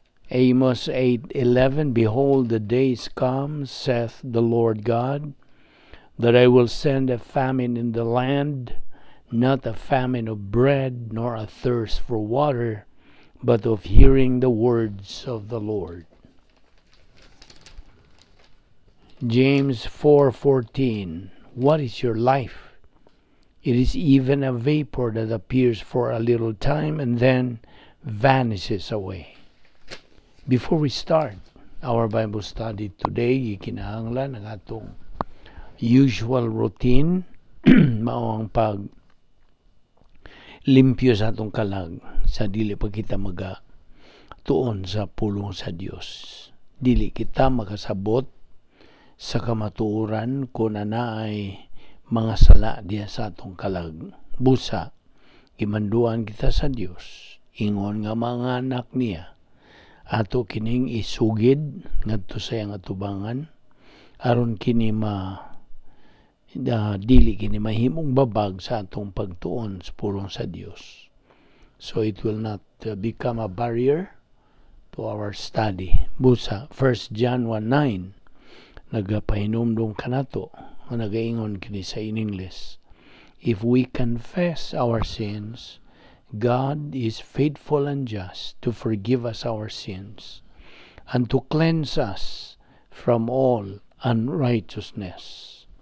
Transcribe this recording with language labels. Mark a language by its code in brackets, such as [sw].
[en] Amos 8:11. Behold, the days come, saith the Lord God, that I will send a famine in the land, not a famine of bread, nor a thirst for water, but of hearing the words of the Lord. James 4:14. What is your life? It is even a vapor that appears for a little time and then vanishes away. Before we start our Bible study today, [ceb] ikinahanglan ang atong usual routine, mao ang pag limpyo sa atong kalag sa dili pa kita maga tuon sa pulong sa Dios. Dili kita makasabot sa kamatuoran kung ana ay mga sala diya sa atong kalag. Busa, imanduan kita sa Dios, ingon nga mga anak niya, ato kining isugid ngadto sa iyang atubangan aron kini ma dili kini mahimong babag sa atong pagtuon sa pulong sa Dios. [en] So it will not become a barrier to our study. [ceb] Busa, 1 John 1:9, nagapahinumdong ka na to, o nagaingon kini sa [en] in English. If we confess our sins, God is faithful and just to forgive us our sins and to cleanse us from all unrighteousness.